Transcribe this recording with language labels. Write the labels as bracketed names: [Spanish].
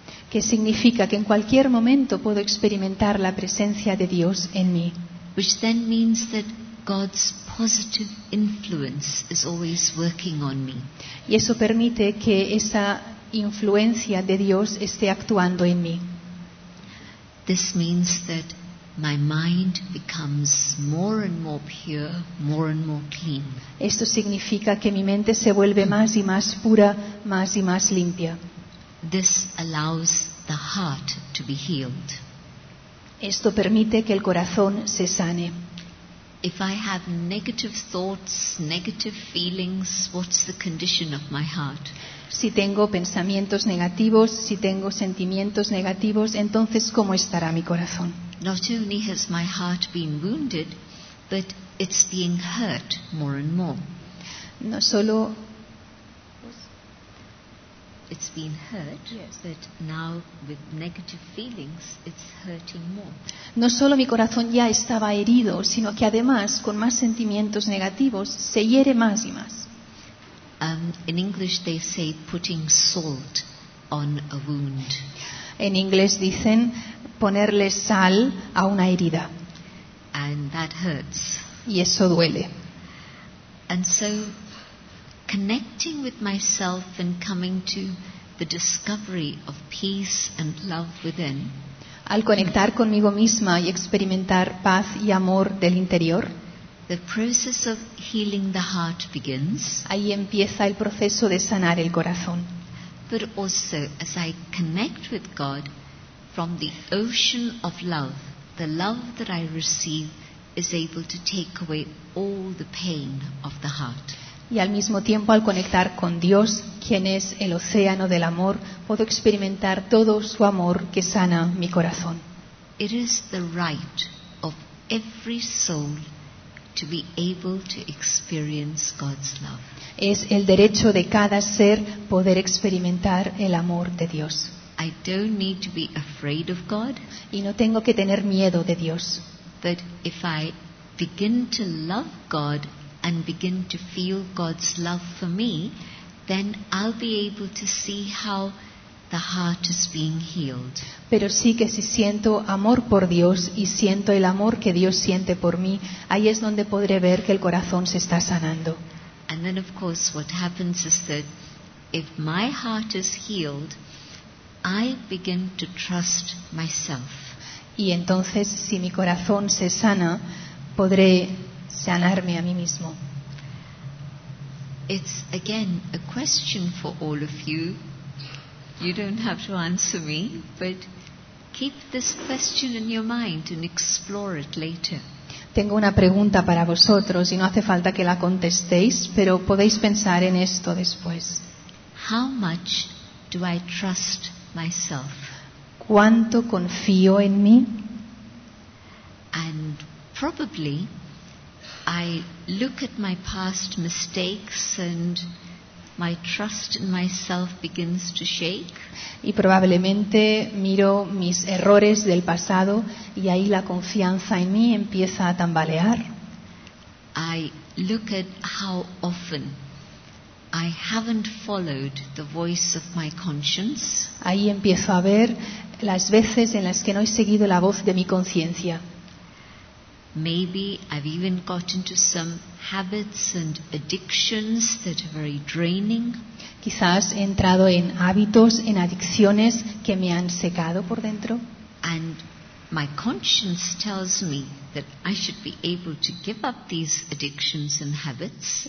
[Spanish] Que significa que en cualquier momento puedo experimentar la presencia de Dios en mí. [English] Which then means that God's positive influence is always working on me. [Spanish] Y eso permite que esa influencia de Dios esté actuando en mí. [English] This means that my mind becomes more and more pure, more and more clean. [Spanish] Esto significa que mi mente se vuelve más y más pura, más y más limpia. [English] This allows the heart to be healed. [Spanish] Esto permite que el corazón se sane. [English] If I have negative thoughts, negative feelings, what's the condition of my heart? [Spanish] Si tengo pensamientos negativos, si tengo sentimientos negativos, entonces ¿cómo estará mi corazón? [English] Not only has my heart been wounded, but it's being hurt more and more. [Spanish] No solo [English] it's been hurt, yes, but now with negative feelings, it's hurting more. [Spanish] No solo mi corazón ya estaba herido, sino que además con más sentimientos negativos se hiere más y más. [English] In English, they say putting salt on a wound. [Spanish] En inglés dicen ponerle sal a una herida. [English] And that hurts. [Spanish] Y eso duele. [English] And so, connecting with myself and coming to the discovery of peace and love within. [Spanish] Al conectar conmigo misma y experimentar paz y amor del interior. [English] The process of healing the heart begins. [Spanish] Ahí empieza el proceso de sanar el corazón. [English] But also, as I connect with God, from the ocean of love, the love that I receive is able to take away all the pain of the heart. [Spanish] Y al mismo tiempo, al conectar con Dios, quien es el océano del amor, puedo experimentar todo su amor que sana mi corazón. [English] It is the right of every soul to be able to experience God's love. [Spanish] Es el derecho de cada ser poder experimentar el amor de Dios. [English] I don't need to be afraid of God. [Spanish] Y no tengo que tener miedo de Dios. [English] But if I begin to love God and begin to feel God's love for me, then I'll be able to see how the heart is being healed. [Spanish] Pero sí que si siento amor por Dios y siento el amor que Dios siente por mí, ahí es donde podré ver que el corazón se está sanando. [English] And then of course what happens is that if my heart is healed, I begin to trust myself. [Spanish] Y entonces si mi corazón se sana, podré sanarme a mí mismo. [English] It's again a question for all of you. You don't have to answer me, but keep this question in your mind and explore it later. [Spanish] Tengo una pregunta para vosotros y no hace falta que la contestéis, pero podéis pensar en esto después. [English] How much do I trust myself? [Spanish] ¿Cuánto confío en mí? [English] And probably I look at my past mistakes and my trust in myself begins to shake. [Spanish] Y probablemente miro mis errores del pasado y ahí la confianza en mí empieza a tambalear. [English] I look at how often I haven't followed the voice of my conscience. [Spanish] Ahí empiezo a ver las veces en las que no he seguido la voz de mi conciencia. [English] Maybe I've even got into some habits and addictions that are very draining. [Spanish] Quizás he entrado en hábitos, en adicciones que me han secado por dentro. [English] And my conscience tells me that I should be able to give up these addictions and habits.